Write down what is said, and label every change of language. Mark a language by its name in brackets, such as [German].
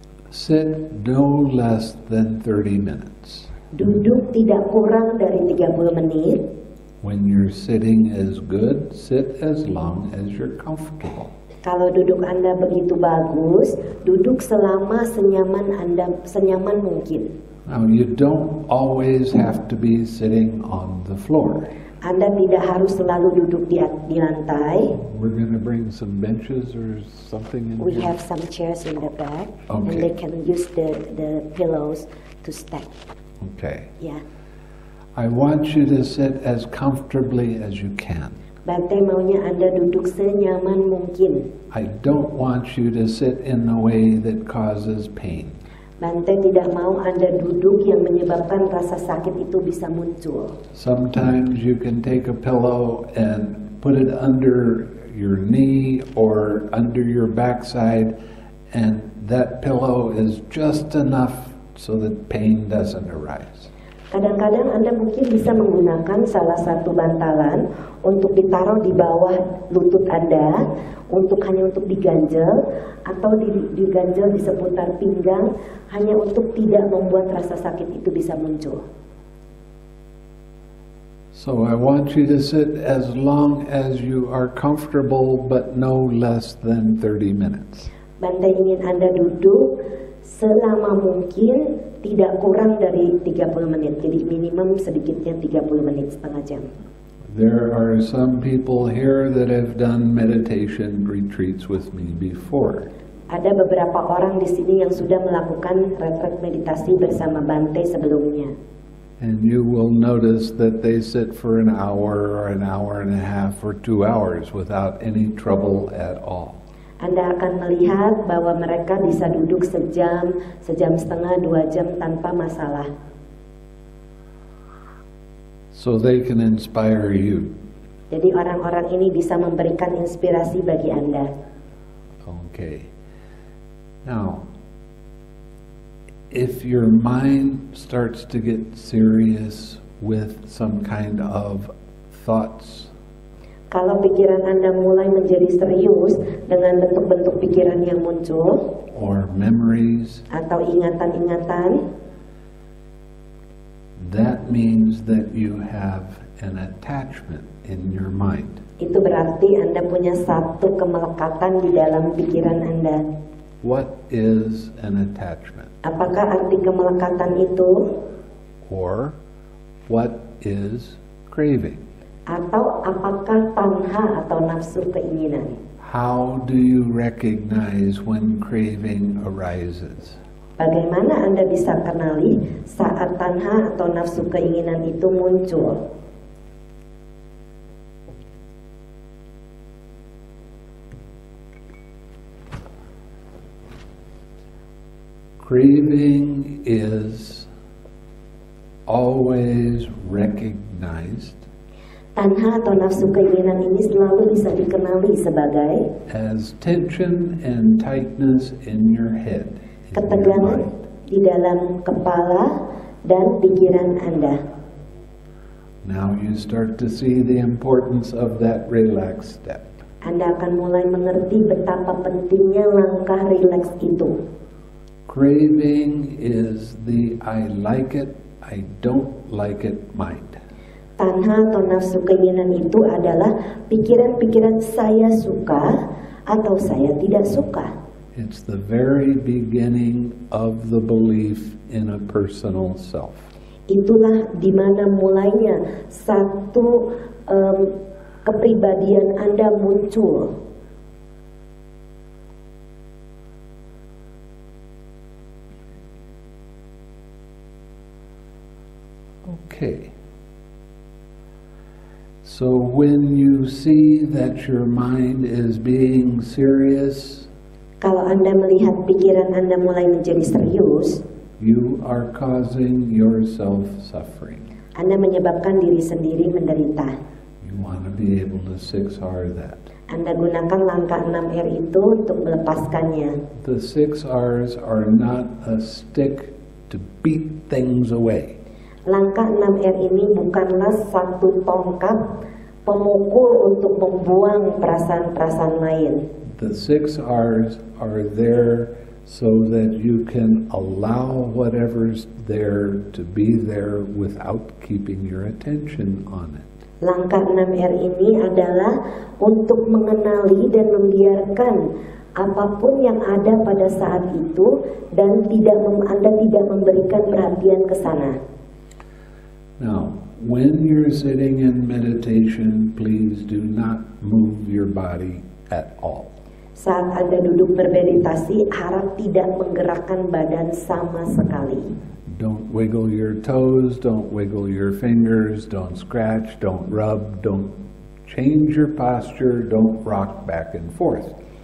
[English] Sit no less than 30 minutes. [Indonesian] Duduk tidak kurang dari 30 menit. [English] When your sitting is good, sit as long as you're comfortable. [Indonesian] Kalau duduk Anda begitu bagus, duduk selama senyaman Anda, senyaman mungkin. [English] Now you don't always have to be sitting on the floor. [Indonesian] Anda tidak harus selalu duduk di lantai. [English] We're going to bring some benches or something in here. We have some chairs in the back. Okay. And they can use the pillows to stack. Okay. Yeah. I want you to sit as comfortably as you can. [Indonesian] Bante maunya Anda duduk senyaman mungkin. [English] I don't want you to sit in a way that causes pain. [Indonesian] Bante tidak mau Anda duduk yang menyebabkan rasa sakit itu bisa muncul. [English] Sometimes you can take a pillow and put it under your knee or under your backside, and that pillow is just enough so that pain doesn't arise. [Indonesian] Kadang-kadang Anda mungkin bisa menggunakan salah satu bantalan untuk ditaruh di bawah lutut Anda untuk hanya untuk diganjel atau diganjel di seputar pinggang hanya untuk tidak membuat rasa sakit itu bisa muncul. [English] So I want you to sit as long as you are comfortable but no less than 30 minutes. [Indonesian] Bante ingin Anda duduk selama mungkin tidak kurang dari 30 menit, jadi minimum sedikitnya 30 menit setengah jam. [English] There are some people here that have done meditation retreats with me before. [Indonesian] Ada beberapa orang di sini yang sudah melakukan retreat meditasi bersama Bante sebelumnya. [English] And you will notice that they sit for an hour or an hour and a half or 2 hours without any trouble at all. [Indonesian] Anda akan melihat bahwa mereka bisa duduk sejam, sejam setengah, dua jam tanpa masalah. [English] So they can inspire you. [Indonesian] Jadi orang-orang ini bisa memberikan inspirasi bagi Anda. [English] Okay. Now, if your mind starts to get serious with some kind of thoughts, [Indonesian] kalau pikiran Anda mulai menjadi serius dengan bentuk-bentuk pikiran yang muncul, [English] or memories, [Indonesian] atau ingatan-ingatan, [English] that means that you have an attachment in your mind. [Indonesian] Itu berarti Anda punya satu kemelekatan di dalam pikiran Anda. [English] What is an attachment? [Indonesian] Apakah arti kemelekatan itu? [English] Or what is craving? [Indonesian] Atau apakah tanha atau nafsu keinginan? [English] How do you recognize when craving arises? [Indonesian] Bagaimana Anda bisa kenali saat tanha atau nafsu keinginan itu muncul? [English] Craving is always recognized. [Indonesian] Tanha atau nafsu keinginan ini selalu bisa dikenali sebagai [English] as tension and tightness in your head, [Indonesian] ketegangan di dalam kepala dan pikiran Anda. [English] Now you start to see the importance of that relaxed step. [Indonesian] Anda akan mulai mengerti betapa pentingnya langkah relax itu. [English] Craving is the I like it, I don't like it mind. [Indonesian] Tanha atau nafsu keinginan itu adalah pikiran-pikiran saya suka atau saya tidak suka. [English] It's the very beginning of the belief in a personal self. [Indonesian] Itulah dimana mulainya satu kepribadian Anda muncul. [English] Okay. So when you see that your mind is being serious, [Indonesian] kalau Anda melihat pikiran Anda mulai menjadi serius, [English] you are causing yourself suffering. [Indonesian] Anda menyebabkan diri sendiri menderita. [English] You want to be able to 6R that. [Indonesian] Anda gunakan langkah 6R itu untuk melepaskannya. [English] The 6Rs are not a stick to beat things away. [Indonesian] Langkah 6R ini bukanlah satu tongkat pemukul untuk membuang perasaan-perasaan lain. [English] The 6Rs are there so that you can allow whatever's there to be there without keeping your attention on it. [Indonesian] Langkah 6R ini adalah untuk mengenali dan membiarkan apapun yang ada pada saat itu dan Anda tidak memberikan perhatian ke sana. [English] Now, when you're sitting in meditation, please do not move your body at all. [Indonesian] Saat Anda duduk bermeditasi, harap tidak menggerakkan badan sama sekali. [English] Don't wiggle your toes, don't wiggle your fingers, don't scratch, don't rub, don't change your posture, don't rock back and forth.